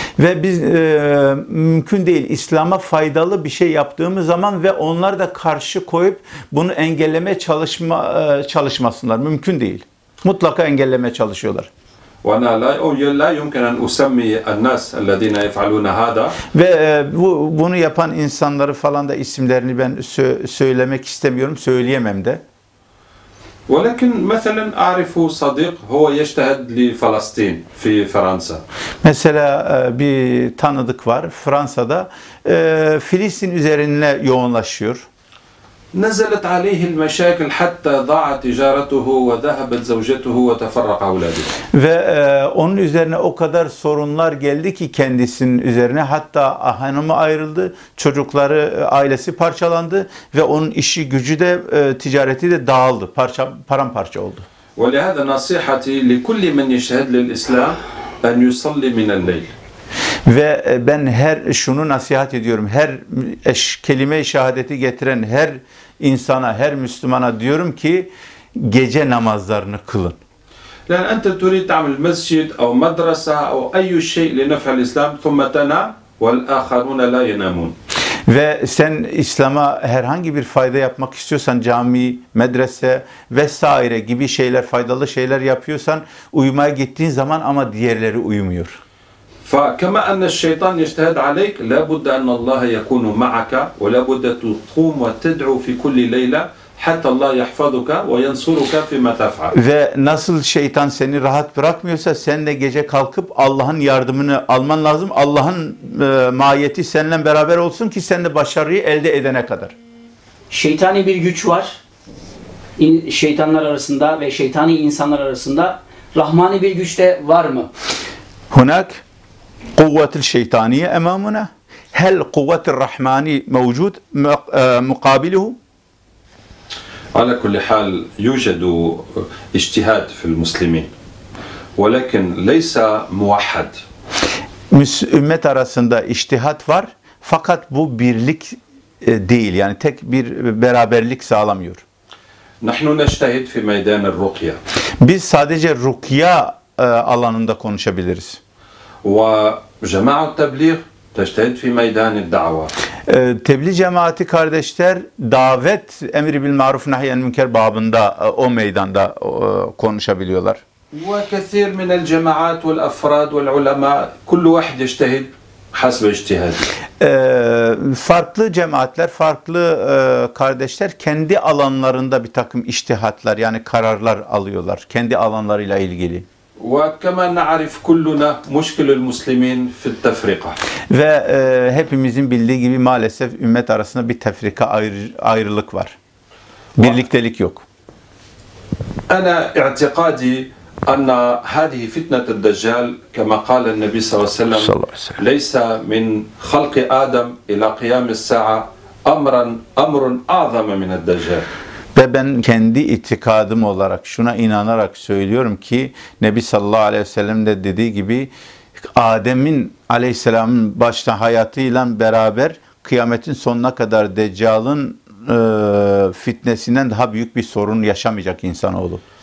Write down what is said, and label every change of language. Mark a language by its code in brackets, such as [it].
[tr] Ve biz mümkün değil İslam'a faydalı bir şey yaptığımız zaman ve onlar da karşı koyup bunu engellemeye çalışmasınlar. Mümkün değil. Mutlaka engellemeye çalışıyorlar. [ar] وَنَا لَا يُمْكِنْ أَنْ أُسَمِّي النَّاسَ الَّذ۪ينَ يَفْعَلُونَ هَذَا [tr] Ve bunu yapan insanları falan da isimlerini ben söylemek istemiyorum, söyleyemem de. [ar] ولكن مثلا اعرف صديق هو يجتهد لفلسطين في فرنسا [tr] مثلا bir tanıdık var Fransa'da Filistin üzerine yoğunlaşıyor [ar] نزلت عليه المشاكل حتى ضاعت تجارته وذهبت زوجته وتفرق اولاده [tr] ve onun üzerine o kadar sorunlar geldi ki kendisinin üzerine hatta hanımı ayrıldı çocukları ailesi parçalandı ve onun işi gücü de ticareti de dağıldı paramparça oldu [ar] ولهذا نصيحتي لكل من يشهد للإسلام أن يصلي من الليل [tr] Ve ben her şunu nasihat ediyorum. Her kelime-i şehadeti getiren her insana, her Müslümana diyorum ki gece namazlarını kılın. [ar] Yani أنت تريد تعمل مسجد أو مدرسة أو أي شيء لنفع الإسلام ثم تنام والآخرون لا ينامون. [tr] Ve sen İslam'a herhangi bir fayda yapmak istiyorsan cami, medrese vesaire gibi şeyler, faydalı şeyler yapıyorsan uyumaya gittiğin zaman ama diğerleri uyumuyor. [ar] فكما أن الشيطان يجتهد عليك لا بد أن الله يكون معك ولا بد تقوم وتدعو في كل ليلة حتى الله يحفظك وينصرك فيما تفعل. [tr] Ve nasıl şeytan seni rahat bırakmıyorsa sen de gece kalkıp Allah'ın yardımını alman lazım. Allah'ın mahiyeti seninle beraber olsun ki sen de başarıyı elde edene kadar. Şeytani bir güç var. Şeytanlar arasında ve şeytani insanlar arasında rahmani bir güç de var mı? [ar] Hunak قوّة الشيطانية أمامنا هل قوّة الرحمن موجود مقابله؟ على كل حال يوجد اجتهاد في المسلمين ولكن ليس موحد. [tr] أمة arasında اجتهاد var fakat bu birlik değil yani tek bir beraberlik sağlamıyor. [ar] نحن نجتهد في ميدان الرقية. [tr] Biz sadece rukya alanında konuşabiliriz. [ar] وجماعة التبليغ تجتهد في ميدان الدعوة. [tr] Tebliğ cemaati kardeşler davet emri bil maruf nahyen münker babında o meydanda konuşabiliyorlar. [ar] وكثير من الجماعات والأفراد والعلماء كل واحد يجتهد حسب اجتهاده. [tr] Farklı cemaatler, farklı kardeşler kendi alanlarında bir takım iştihatlar yani kararlar alıyorlar kendi alanlarıyla ilgili. [ar] وكما نعرف كلنا مشكل المسلمين في التفرقة. [tr] Ve hepimizin bildiği gibi maalesef ümmet arasında bir tefrika ayrılık var. Birliktelik yok. [ar] أنا اعتقادي أن هذه فتنة الدجال كما قال النبي صلى الله عليه وسلم ليس من خلق آدم إلى قيام الساعة أمر أعظم من الدجال. [tr] Ve ben kendi itikadım olarak şuna inanarak söylüyorum ki Nebi sallallahu aleyhi ve sellem de dediği gibi Adem'in aleyhisselamın başta hayatıyla beraber kıyametin sonuna kadar Deccal'ın fitnesinden daha büyük bir sorun yaşamayacak insanoğlu.